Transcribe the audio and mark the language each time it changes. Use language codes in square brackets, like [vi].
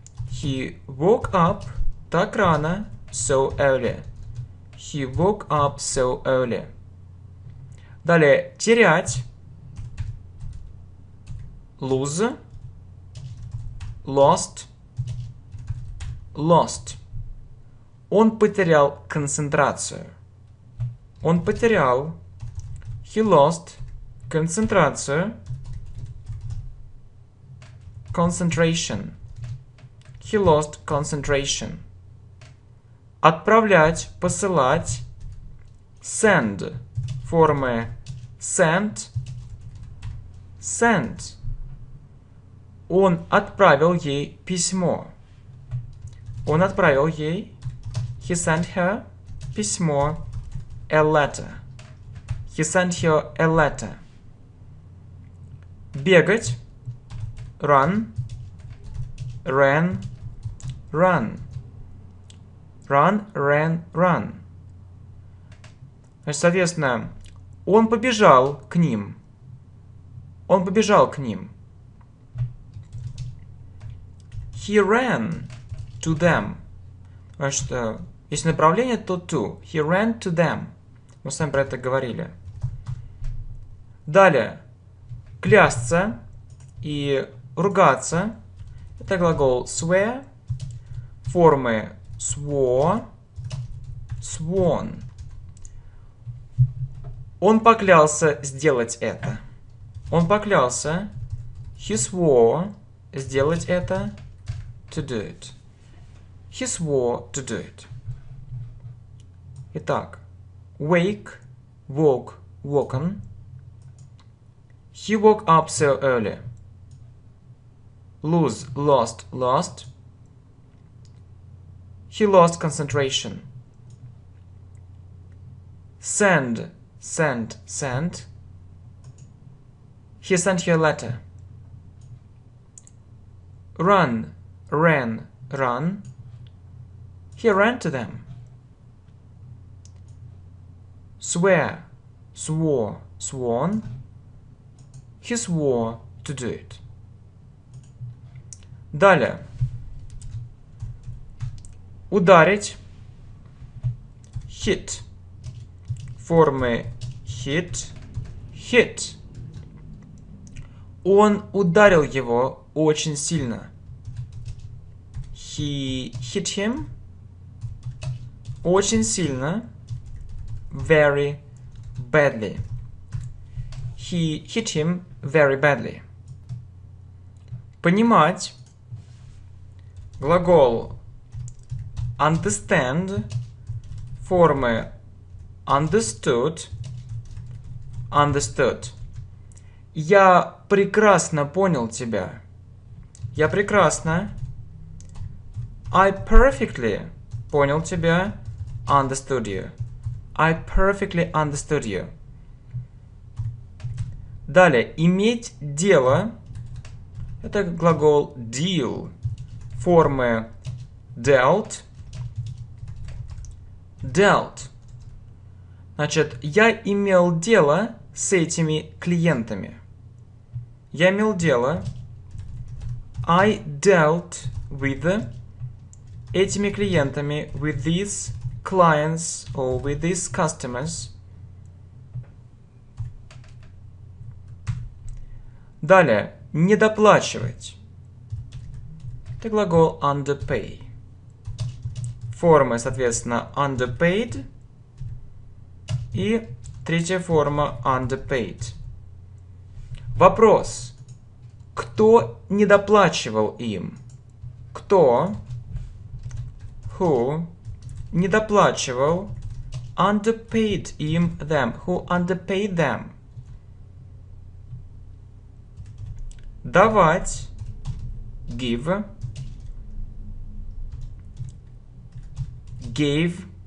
[en] He woke up [ru] так рано, [en] so early. He woke up so early. [ru] Далее, терять, [en] lose, lost, lost. [ru] Он потерял концентрацию. Он потерял, [en] he lost, [ru] концентрацию, [en] concentration, he lost concentration. [ru] Отправлять, посылать, send, формы sent, sent. Он отправил ей письмо. Он отправил ей, [en] he sent her [ru] письмо, [en] a letter. He sent her a letter. [ru] Бегать, [en] run, ran, run. Run, ran, run. [ru] Значит, соответственно, он побежал к ним. Он побежал к ним. [en] He ran to them. [ru] Значит, если направление, то to. [en] He ran to them. [ru] Мы с вами про это говорили. Далее. Клясться и ругаться. Это глагол swear. [en] Формы swore, sworn. [ru] Он поклялся сделать это. Он поклялся. [en] He swore [ru] сделать это. [en] To do it. He swore to do it. Итак. Wake. Woke. Woken. He woke up so early. Lose. Lost. Lost. He lost concentration. Send. Sent, sent. He sent her a letter. Run, ran, run. He ran to them. Swear, swore, sworn. He swore to do it. [ru] Далее. Ударить. Hit. [en] формы hit, hit. [ru] Он ударил его очень сильно. [en] He hit him [ru] очень сильно, [en] very badly. He hit him very badly. Понимать. Глагол understand формы understood, understood. [ru] Я прекрасно понял тебя. Я прекрасно. [en] I perfectly [ru] понял тебя. [en] Understood you. I perfectly understood you. [ru] Далее, иметь дело. Это глагол deal. Формы dealt. [en] Dealt. [ru] Значит, я имел дело с этими клиентами. Я имел дело. [en] I dealt with [ru] этими клиентами, [en] with these clients or with these customers. [ru] Далее, недоплачивать. Это глагол underpay. Формы, соответственно, underpaid. И третья форма underpaid. Вопрос. Кто недоплачивал им? Кто? [en] Who недоплачивал? Underpaid им them. Who underpaid them? [ru] Давать. Give. [en] Gave.